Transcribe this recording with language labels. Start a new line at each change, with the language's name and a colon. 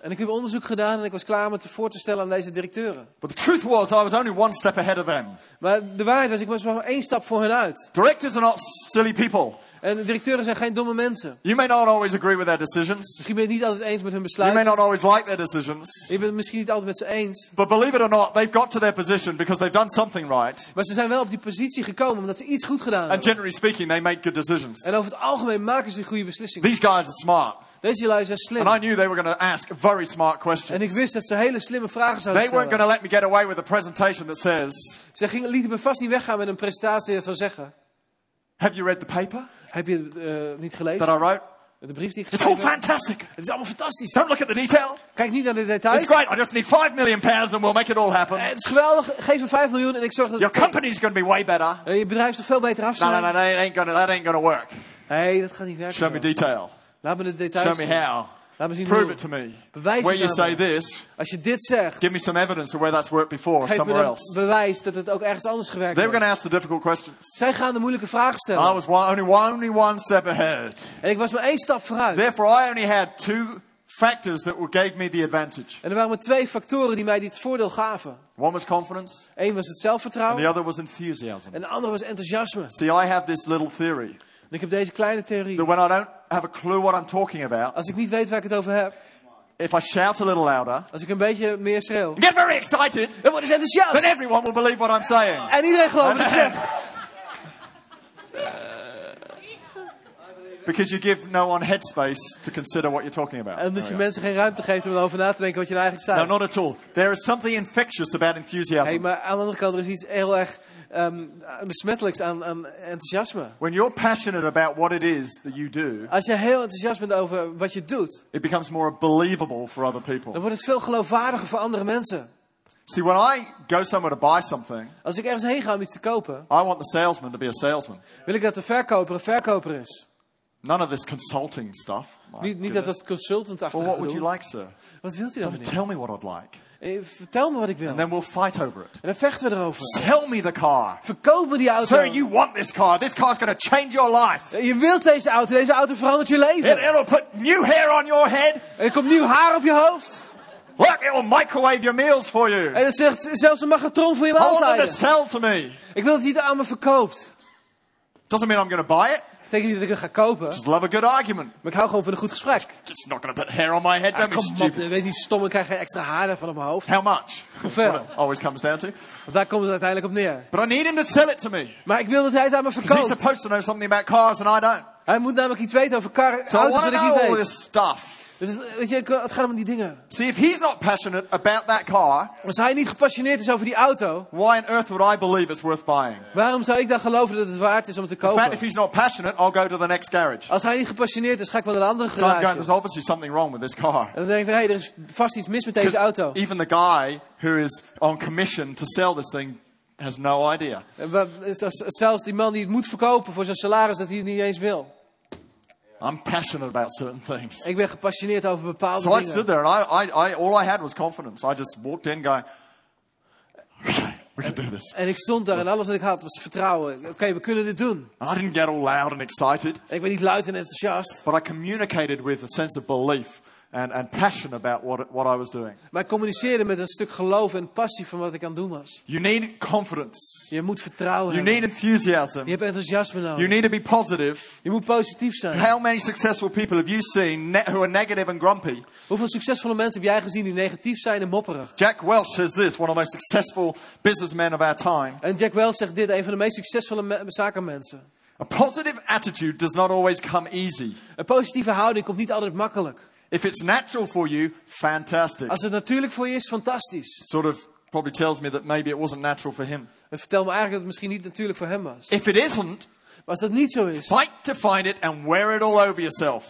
Dutch: En ik heb onderzoek gedaan en ik was klaar om het voor te stellen aan deze directeuren.
English: But the truth was, I was only one step ahead of them.
Dutch: Maar de waarheid was, ik was maar één stap voor hen uit.
English: Directors are not silly people.
Dutch: En de directeuren zijn geen domme mensen.
English: You may not always agree with their decisions.
Dutch: Misschien ben je niet altijd eens met hun besluiten.
English: You may not always like their decisions.
Dutch: Je bent misschien niet altijd met ze eens.
English: But believe it or not, they've got to their position because they've done something right.
Dutch: Maar ze zijn wel op die positie gekomen omdat ze iets goed gedaan hebben.
English: And generally speaking, they make good decisions.
Dutch: En over het algemeen maken ze goede beslissingen.
English: These guys are smart.
Dutch: Deze lui zijn slim.
English: And I knew they were going to ask very smart questions.
Dutch: En ik wist dat ze hele slimme vragen zouden
English: they
Dutch: stellen.
English: They weren't going to let me get away with a presentation that says.
Dutch: Ze lieten me vast niet weggaan met een presentatie die zou zeggen.
English: Have you read the paper?
Dutch: Heb je niet gelezen?
English: That I wrote?
Dutch: De brief die ik geschreven.
English: It's all fantastic.
Dutch: Het is allemaal fantastisch.
English: Don't look at the detail.
Dutch: Kijk niet naar de details.
English: It's great. I just need 5 million pounds and we'll make it all happen.
Dutch: Het is geweldig. Geef me 5 miljoen en ik zorg dat.
English: Your company is going to be way better.
Dutch: Je bedrijf zal veel beter af zijn.
English: No, that ain't gonna work.
Dutch: Hey, dat gaat niet werken.
English: Show me detail.
Dutch: Laat me de details.
English: Show me how.
Dutch: Laat me zien.
English: Prove it to me.
Dutch: Bewijs
English: where you say this.
Dutch: Als je dit zegt.
English: Give me some evidence of where that's worked before or somewhere else.
Dutch: Geef me bewijs dat het ook ergens anders gewerkt.
English: They were going to ask the difficult questions.
Dutch: Zij gaan de moeilijke vragen stellen.
English: I was only one step ahead.
Dutch: En ik was maar één stap vooruit.
English: Therefore, I only had two factors that gave me the advantage.
Dutch: En er waren maar twee factoren die mij dit voordeel gaven.
English: One was confidence.
Dutch: Eén was het zelfvertrouwen.
English: And the other was enthusiasm.
Dutch: En de andere was enthousiasme.
English: See, I have this little theory.
Dutch: En ik heb deze kleine theorie.
English: That when I don't have a clue what I'm talking about.
Dutch: Als ik niet weet waar ik het over heb.
English: If I shout a little louder.
Dutch: Als ik een beetje meer schreeuw.
English: Get very excited.
Dutch: Dan word ik enthousiast.
English: Then everyone will believe what I'm saying.
Dutch: En iedereen gelooft wat ik zeg.
English: Because you give no one headspace to consider what you're talking about.
Dutch: En dat je mensen geen ruimte geeft om erover na te denken wat je nou eigenlijk zei.
English: No, not at all. There is something infectious about enthusiasm.
Dutch: Hey, maar aan de andere kant er is iets heel erg besmettelijks aan enthousiasme.
English: When you're passionate about what it is that you do.
Dutch: Als je heel enthousiast bent over wat je doet.
English: It becomes more believable for other people.
Dutch: Dan wordt het veel geloofwaardiger voor andere mensen.
English: See, when I go somewhere to buy something.
Dutch: Als ik ergens heen ga om iets te kopen.
English: I want the salesman to be a salesman.
Dutch: Wil ik dat de verkoper een verkoper is.
English: None of this consulting stuff.
Dutch: Niet dat het consultant-achtige gedoe.
English: What would you like, sir?
Dutch: Wat wilt u dan?
English: Tell me what I'd like.
Dutch: Vertel me wat ik wil.
English: And then we'll fight over it.
Dutch: En dan vechten we erover.
English: Sell me the car.
Dutch: Verkoop me die auto.
English: Sir, you want this car. This car's going to change your life.
Dutch: Je wilt deze auto. Deze auto verandert je leven.
English: It'll put new hair on your head.
Dutch: Er komt nieuw haar op je hoofd.
English: Look, it will microwave your meals for you.
Dutch: En het zegt zelfs een magnetron voor je maaltijden.
English: I want them to sell to me.
Dutch: Ik wil dat hij het aan me verkoopt.
English: Doesn't mean I'm going to buy it.
Dutch: Ik denk niet dat ik het ga kopen.
English: Just love a good argument.
Dutch: Maar ik hou gewoon van een goed gesprek.
English: It's not going to put hair on my head. Don't be stupid.
Dutch: Wees niet stom en krijg geen extra haren van op mijn hoofd.
English: How much?
Dutch: Hoeveel?
English: That's what it always comes down to.
Dutch: Want daar komt het uiteindelijk op neer.
English: But I need him to sell it to me.
Dutch: Maar ik wil dat hij het aan me verkoopt.
English: He's supposed to know something about cars and I don't.
Dutch: Hij moet namelijk iets weten over karren.
English: So
Dutch: auto's
English: I want to know all this stuff.
Dutch: Dus weet je, het gaat om die dingen.
English: See, if he's not passionate about that car.
Dutch: Als hij niet gepassioneerd is over die auto.
English: Why on earth would I believe it's worth buying?
Dutch: Waarom zou ik dan geloven dat het waard is om het te kopen?
English: In fact, if he's not passionate, I'll go to the next garage.
Dutch: Als hij niet gepassioneerd is, ga ik wel naar de andere garage.
English: So I'm going, there's obviously something wrong with this car.
Dutch: En dan denk ik van, hey, er is vast iets mis met deze auto.
English: Even the guy who is on commission to sell this thing has no idea.
Dutch: Zelfs die man die het moet verkopen voor zijn salaris, dat hij het niet eens wil.
English: I'm passionate about certain things.
Dutch: Ik ben gepassioneerd over bepaalde dingen.
English: So I stood there and I all I had was confidence. I just walked in going, okay, we can do this.
Dutch: En ik stond daar en alles wat ik had was vertrouwen. Okay, we kunnen dit doen.
English: I didn't get all loud and excited.
Dutch: Ik werd niet luid en enthousiast.
English: But I communicated with a sense of belief and passion about what I was doing.
Dutch: Maar ik communiceerde met een stuk geloof en passie van wat ik aan het doen was.
English: You need confidence.
Dutch: Je moet vertrouwen hebben.
English: You need enthusiasm.
Dutch: Je hebt enthousiasme nodig.
English: You need to be positive.
Dutch: Je moet positief zijn.
English: How many successful people have you seen who are negative and grumpy?
Dutch: Hoeveel succesvolle mensen heb jij gezien die negatief zijn en mopperig?
English: Jack Welch says this, one of the most successful businessmen of our time.
Dutch: En Jack Welch zegt dit, een van de meest succesvolle zakenmensen.
English: A positive attitude does not always come easy.
Dutch: Een positieve houding komt niet altijd makkelijk.
English: If it's natural for you, fantastic.
Dutch: Als het natuurlijk voor je is, fantastisch.
English: Sort of probably tells me that maybe it wasn't natural for him.
Dutch: Het vertelt me eigenlijk dat het misschien niet natuurlijk voor hem was.
English: If it isn't,
Dutch: maar als dat niet zo is,
English: fight to find it and wear it all over yourself.